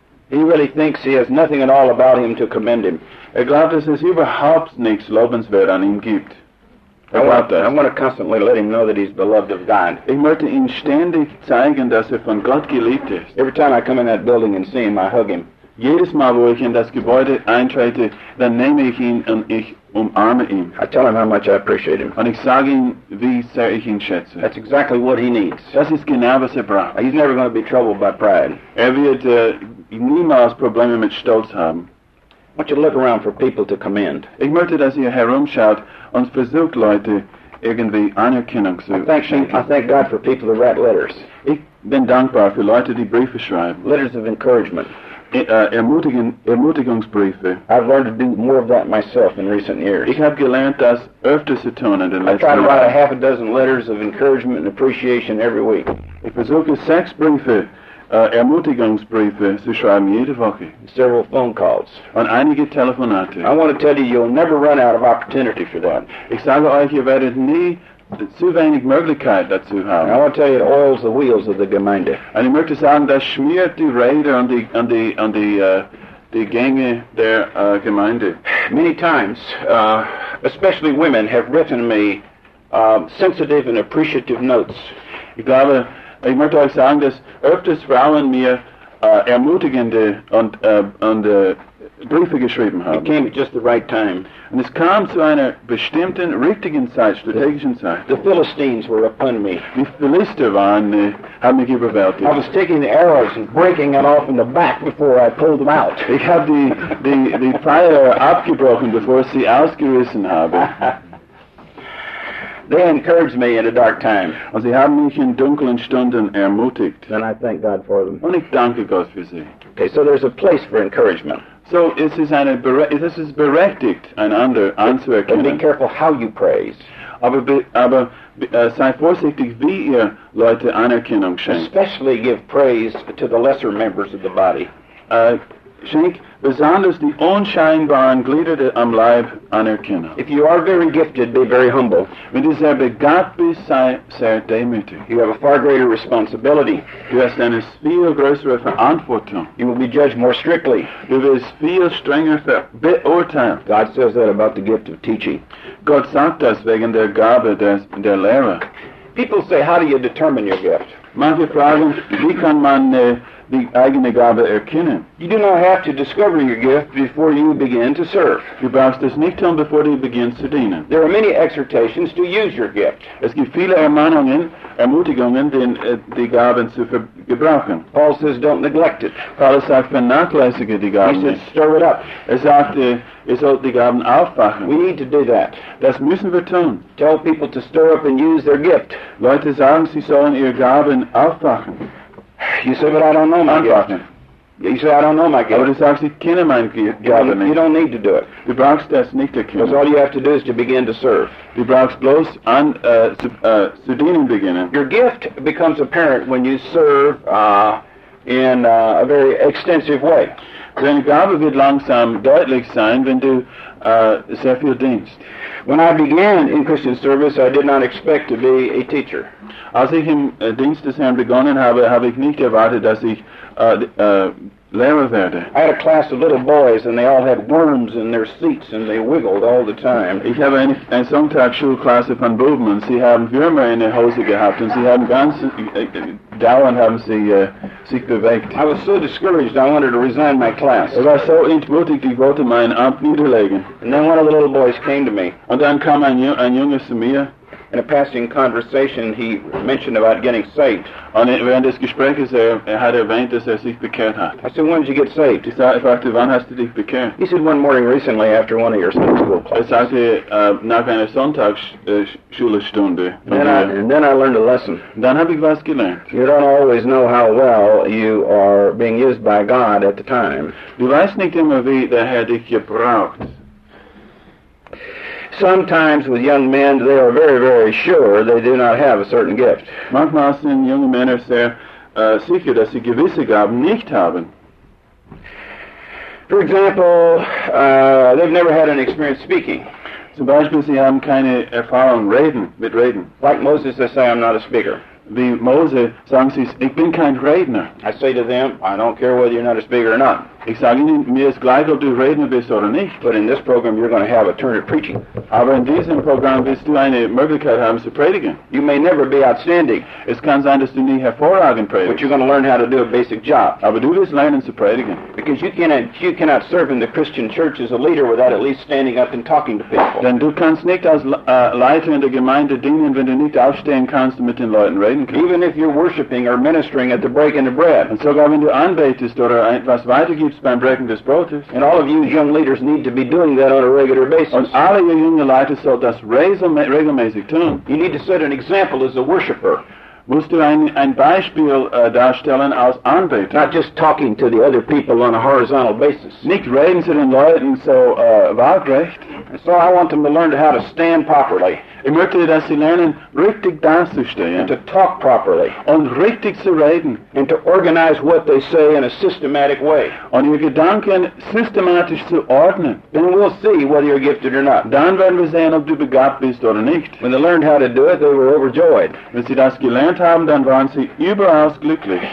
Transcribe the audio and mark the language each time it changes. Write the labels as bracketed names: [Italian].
[English] He really thinks he has nothing at all about him to commend him. [German] Er glaubt, dass es überhaupt nichts lobenswert an ihm gibt. [English] I want to constantly let him know that he's beloved of God. [German] Ich möchte ihn ständig zeigen, dass er von Gott geliebt ist. [English] Every time I come in that building and see him, I hug him. [German] Jedes Mal, wo ich in das Gebäude eintrete, dann nehme ich ihn und ich umarme ihn. [English] I tell him how much I appreciate him. [German] Und ich sage ihm, wie sehr ich ihn schätze. [English] That's exactly what he needs. [German] Das ist genau, was er braucht. [English] He's never going to be troubled by pride. [German] Er wird niemals Probleme mit Stolz haben. [English] I want you to look around for people to commend. [German] Ich möchte, dass ihr herumschaut und versucht, Leute irgendwie Anerkennung zu schenken. [English] I thank God for people who write letters. [German] Ich bin dankbar für Leute, die Briefe schreiben. [English] Letters of encouragement. [German] Ermutigungsbriefe. [English] I've learned to do more of that myself in recent years. [German] Ich habe gelernt, das öfter zu tun in den letzten Jahren. [English] I try to write a half a dozen letters of encouragement and appreciation every week. [German] Ich versuche 6 Ermutigungsbriefe zu schreiben jede Woche. [English] Several phone calls. [German] Und einige Telefonate. [English] I want to tell you, you'll never run out of opportunity for that. [German] Ich sage euch, ihr werdet nie zu wenig Möglichkeit dazu haben. [English] I want to tell you, it oils the wheels of the Gemeinde. [German] Und ich möchte sagen, das schmiert die Räder und die Gänge der Gemeinde. [English] Many times, especially women, have written me sensitive and appreciative notes. [German] Ich möchte euch sagen, dass öfters Frauen mir ermutigende und Briefe geschrieben haben. [English] It came at just the right time. [German] Und es kam zu einer bestimmten, richtigen Zeit, strategischen Zeit. [English] The Philistines were upon me. [German] Die Philister haben mich überwältigt. [English] I was taking the arrows and breaking them off in the back before I pulled them out. [German] Ich habe die Pfeile abgebrochen, bevor ich sie ausgerissen habe. [English] They encouraged me in a dark time. [German] Und sie haben mich in dunklen Stunden ermutigt. [English] And I thank God for them. [German] Und ich danke Gott für sie. [English] Okay, so there's a place for encouragement. [German] So es ist berechtigt, einander anzuerkennen. [English] But be careful how you praise. [German] Aber sei vorsichtig, wie ihr Leute Anerkennung schenkt. [English] Especially give praise to the lesser members of the body. [German] Schenk besonders die unscheinbaren Glieder am Leib Anerkennung. [English] If you are very gifted, be very humble. [German] Wenn du sehr begabt bist, sei sehr demütig. [English] You have a far greater responsibility. [German] Du hast eine viel größere Verantwortung. [English] You will be judged more strictly. [German] Du wirst viel strenger beurteilt. [English] God says that about the gift of teaching. [German] Gott sagt das wegen der Gabe der Lehre. [English] People say, how do you determine your gift? [German] Manche fragen, wie kann man die eigene Gabe erkennen. [English] You do not have to discover your gift before you begin to serve. [German] Du brauchst es nicht tun, bevor du beginnst zu dienen. [English] There are many exhortations to use your gift. [German] Es gibt viele Ermutigungen, die Gaben zu gebrauchen. [English] Paul says, don't neglect it. [German] Paulus sagt, vernachlässige die Gaben. [English] He says, stir it up. [German] Er sagt, ihr sollt die Gaben aufwachen. [English] We need to do that. [German] Das müssen wir tun. [English] Tell people to stir up and use their gift. [German] Leute sagen, sie sollen ihre Gaben aufwachen. [English] You say, but I don't know my gift. You say, I don't know my gift. [German] Aber du sagst, ich kenne mein Gaben. [English] You don't need to do it. [German] Du brauchst das nicht erkennen. [English] Because all you have to do is to begin to serve. [German] Du brauchst bloß an zu dienen beginnen. [English] Your gift becomes apparent when you serve in a very extensive way. [German] Deine Gabe wird langsam deutlich sein, wenn du sehr viel dienst. [English] When I began in Christian service, I did not expect to be a teacher. [German] Als ich im Dienst des Herrn begonnen habe, habe ich nicht erwartet, dass ich Lehrer werde. [English] I had a class of little boys, and they all had worms in their seats, and they wiggled all the time. [German] Ich habe eine Sonntagsschulklasse von Buben, und sie haben Würmer in der Hose gehabt, und sie haben ganz dauernd haben sie sich bewegt. [English] I was so discouraged, I wanted to resign my class. [German] Ich war so entmutigt, ich wollte meinen Amt niederlegen. [English] And then one of the little boys came to me. [German] Und dann kam ein Junge zu mir. [English] In a passing conversation, he mentioned about getting saved. [German] Und während des Gesprächs hat erwähnt, dass sich bekehrt hat. [English] I said, when did you get saved? [German] Ich sagte, wann hast du dich bekehrt? [English] He said, one morning recently after one of your Sunday school classes. [German] Er sagte, nach einer Sonntagsschulstunde. [English] Then I learned a lesson. [German] Dann habe ich was gelernt. [English] You don't always know how well you are being used by God at the time. [German] Du weißt nicht immer, wie der Herr dich gebraucht. [English] Sometimes with young men, they are very, very sure they do not have a certain gift. [German] Manchmal sind junge Männer sehr sicher, dass sie gewisse Gaben nicht haben. [English] For example, they've never had an experience speaking. [German] Zum Beispiel, sie haben keine Erfahrung mit Reden. [English] Like Moses, they say, I'm not a speaker. [German] Wie Mose, sagen sie, ich bin kein Redner. [English] I say to them, I don't care whether you're not a speaker or not. [German] Ich sage ihnen, mir ist gleich, ob du Redner bist oder nicht. [English] But in this program, you're going to have a turn at preaching. [German] Aber in diesem Programm wirst du eine Möglichkeit haben zu predigen. [English] You may never be outstanding. [German] Es kann sein, dass du nie hervorragend predigst. [English] But you're going to learn how to do a basic job. [German] Aber du wirst lernen zu predigen. [English] Because you cannot serve in the Christian church as a leader without at least standing up and talking to people. [German] Denn du kannst nicht als Leiter in der Gemeinde dienen, wenn du nicht aufstehen kannst und mit den Leuten reden kannst. [English] Even if you're worshiping or ministering at the breaking of bread. [German] Und sogar wenn du anbetest oder etwas weitergibst, [English] and all of you young leaders need to be doing that on a regular basis. [German] Und alle ihr junge Leute sollt das regelmäßig tun. [English] You need to set an example as a worshiper. [German] Musst du ein Beispiel darstellen als Anbeter. [English] Not just talking to the other people on a horizontal basis. [German] Nicht reden zu den Leuten so waagrecht. [English] So I want them to learn how to stand properly. [German] Ich möchte, dass sie lernen, richtig dazustehen. [English] And to talk properly. [German] Und richtig zu reden. [English] And to organize what they say in a systematic way. [German] Und ihre Gedanken systematisch zu ordnen. [English] Then we'll see whether you're gifted or not. [German] Dann werden wir sehen, ob du begabt bist oder nicht. [English] When they learned how to do it, they were overjoyed. [German] Wenn sie das gelernt haben, dann waren sie überaus glücklich.